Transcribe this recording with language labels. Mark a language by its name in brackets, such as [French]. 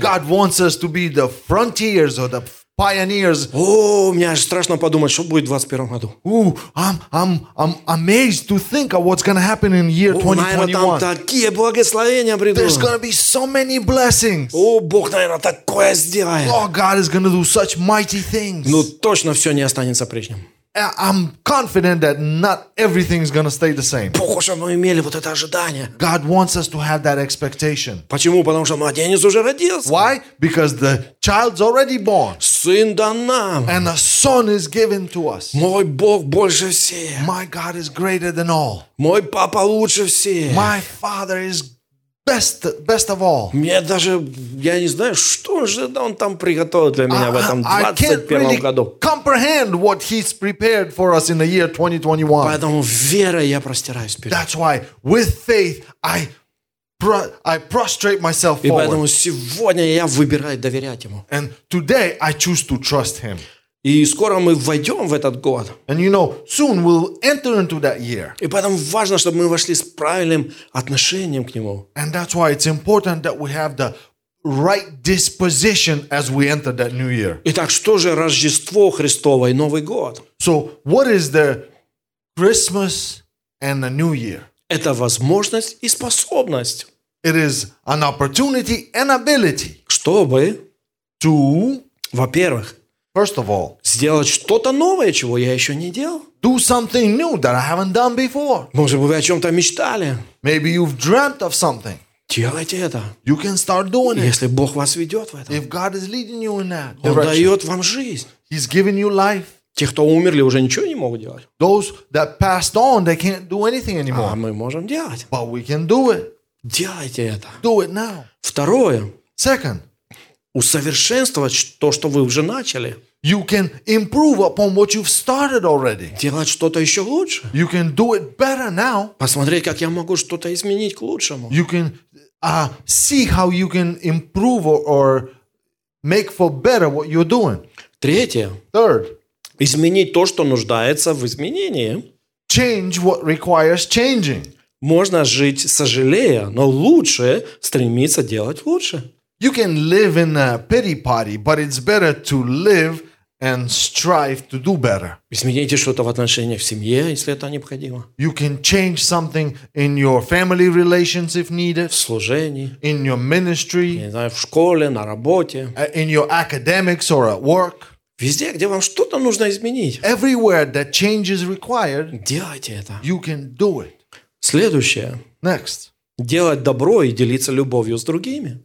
[English] God wants us to be the frontiers or the pioneers. [Russian] Oh, мне аж страшно подумать, что будет в 21 году. [English] Ooh, I'm amazed to think of what's going to happen in year 2021. [Russian] Наверное, там такие благословения придут. [English] There's going to be so many blessings. [Russian] Бог, наверное, такое сделает. [English] Oh, God is going to do such mighty things. [Russian] Ну, точно все не останется прежним. [English] I'm confident that not everything's going to stay the same. [Russian] Богу, чтобы мы имели вот это ожидание. [English] God wants us to have that expectation. [Russian] Почему? Потому что младенец уже родился. [English] Why? Because the child's already born. [Russian] Сын дан нам. [English] And a son is given to us. [Russian] Мой Бог больше всех. [English] My God is greater than all. [Russian] Мой папа лучше всех. [English] My father is best of all. [Russian] Мне даже, я не знаю, что же он там приготовил для меня в этом 21-м году. [English] I can't comprehend what he's prepared for us in the year 2021. [Russian] Поэтому верой я простираюсь вперед. [English] That's why with faith I prostrate myself forward. [Russian] И поэтому сегодня я выбираю доверять ему. [English] And today I choose to trust him. [Russian] И скоро мы войдем в этот год. [English] And you know, soon we'll enter into that year. [Russian] И поэтому важно, чтобы мы вошли с правильным отношением к нему. [English] And that's why it's important that we have the right disposition as we enter that new year. [Russian] Итак, что же Рождество Христово и Новый год? [English] So, what is the Christmas and the new year? [Russian] Это возможность и способность. [English] It is an opportunity and ability. [Russian] Чтобы? [English] To? [Russian] Во-первых. [English] First of all, [Russian] сделать что-то новое, чего я еще не делал. [English] Do something new that I haven't done before. [Russian] Может быть, вы о чем-то мечтали. [English] Maybe you've dreamt of something. [Russian] Делайте это. [English] You can start doing it. [Russian] Если Бог вас ведет в это. [English] If God is leading you in that direction. [Russian] Он дает вам жизнь. [English] He's giving you life. [Russian] Те, кто умерли, уже ничего не могут делать. [English] Those that passed on, they can't do anything anymore. [Russian] А мы можем делать. [English] But we can do it. [Russian] Делайте это. [English] Do it now. [Russian] Второе. [English] Second. [Russian] Усовершенствовать то, что вы уже начали. [English] You can improve upon what you've started already. [Russian] Делать что-то еще лучше. [English] You can do it better now. [Russian] Посмотреть, как я могу что-то изменить к лучшему. [English] You can see how you can improve or make for better what you're doing. [Russian] Третье. [English] Third. [Russian] Изменить то, что нуждается в изменении. [English] Change what requires changing. [Russian] Можно жить, сожалея, но лучше стремиться делать лучше. [English] You can live in a pity party, but it's better to live and strive to do better. [Russian] Измените что-то в отношениях в семье, если это необходимо. [English] You can change something in your family relations if needed. [Russian] В служении. [English] In your ministry. [Russian] Не знаю, в школе, на работе. [English] In your academics or at work. [Russian] Везде, где вам что-то нужно изменить. [English] Everywhere that change is required. [Russian] Делайте это. [English] You can do it. [Russian] Следующее. [English] Next. [Russian] Делать добро и делиться любовью с другими.